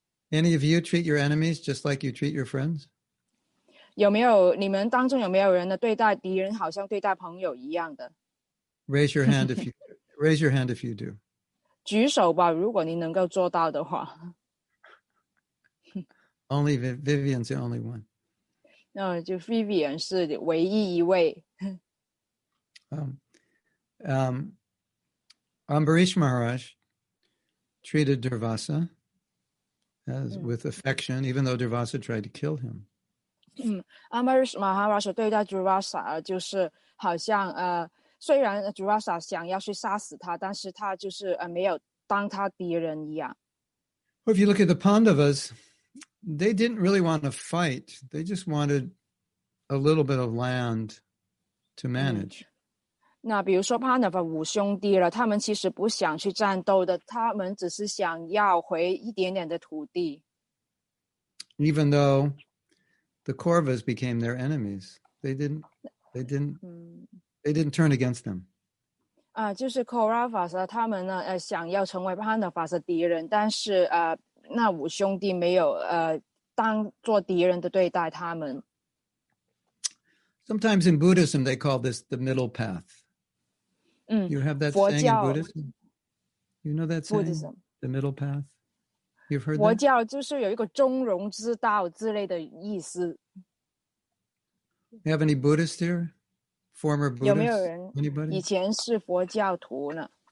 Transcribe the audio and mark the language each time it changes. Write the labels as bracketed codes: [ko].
[en] Any of you treat your enemies just like you treat your friends? [zh] 有没有你们当中有没有人的对待敌人好像对待朋友一样的? [en] Raise your hand if you do. [zh] 举手吧, 如果你能够做到的话。 [en] Only Vivian's the only one. [zh] 就Vivian是唯一一位。 [en] Ambarish Maharaj treated Durvasa with affection, even though Durvasa tried to kill him. [zh] Ambarish Maharaj 对待 Durvasa 就是好像 虽然 Durvasa 想要去杀死他, 但是他就是 没有当他敌人一样。 [en] Well, if you look at the Pandavas, they didn't really want to fight. They just wanted a little bit of land to manage. [zh] 那比如说Pandava五兄弟了, 他们其实不想去战斗的, 他们只是想要回一点点的土地。 [en] Even though the Kauravas became their enemies, they didn't turn against them. [zh] 就是Kauravas, 他们呢, 想要成为Pandava的敌人, 但是, 那五兄弟没有, 当做敌人的对待他们。 [en] Sometimes in Buddhism, they call this the middle path. You have that saying in Buddhism? You know that saying? Buddhism. The middle path? You've heard [zh] 佛教 [en] that? [zh] 佛教就是有一个中庸之道之类的意思。 [en] You have any Buddhists here? Former Buddhists? [zh] 有没有人 以前是佛教徒呢?